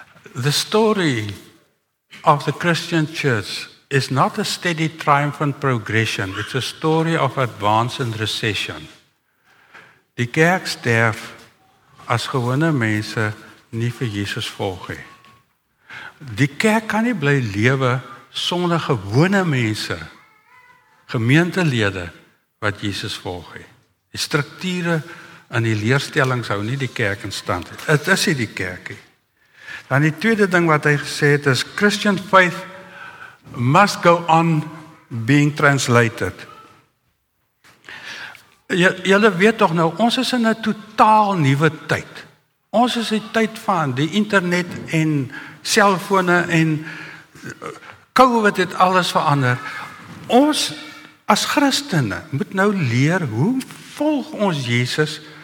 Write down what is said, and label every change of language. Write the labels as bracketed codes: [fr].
[en] The story of the Christian church is not a steady triumphant progression, it's a story of advance and recession. [af] Die kerk sterf as gewone mense nie vir Jesus volg nie. Die kerk kan nie bly lewe sonder gewone mense, gemeentelede, wat Jesus volg nie. Die strukture en die leerstellings hou nie die kerk in stand. Dit is nie die kerk nie. Dan die tweede ding wat hy gesê het is, [en] Christian faith must go on being translated. [af] Julle weet toch nou, ons is in 'n totaal nuwe tyd. Ons is die tyd van die internet en selfone en COVID het alles verander. Ons as Christene moet nou leer hoe volg ons Jesus